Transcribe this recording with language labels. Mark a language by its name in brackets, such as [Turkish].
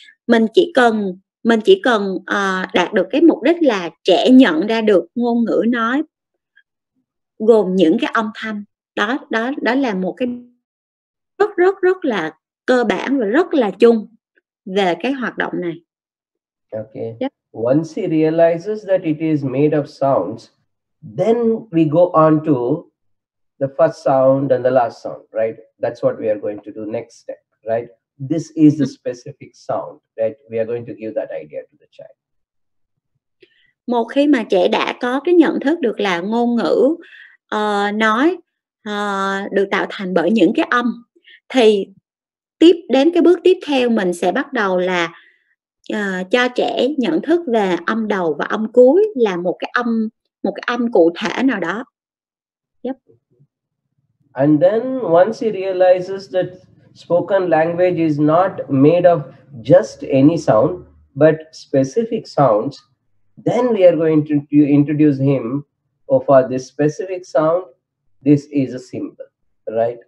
[Vietnamese] Mình chỉ cần đạt được cái mục đích là trẻ nhận ra được ngôn ngữ nói gồm những cái âm thanh. Đó là một cái rất rất rất là cơ bản và rất là chung về cái hoạt động này. [English] Okay. Yep. Once he realizes that it is made of sounds, then we go on to the first sound and the last sound, right? That's what we are going to do next step, right? This is the specific sound that we are going to give that idea to the child. [Vietnamese] Một khi mà trẻ đã có cái nhận thức được là ngôn ngữ nói được tạo thành bởi những cái âm, thì tiếp đến cái bước tiếp theo mình sẽ bắt đầu là cho trẻ nhận thức về âm đầu và âm cuối là một cái âm cụ thể nào đó. [English] Yep. And then once he realizes that spoken language is not made of just any sound but specific sounds, then we are going to introduce him, oh, for this specific sound, this is a symbol, right?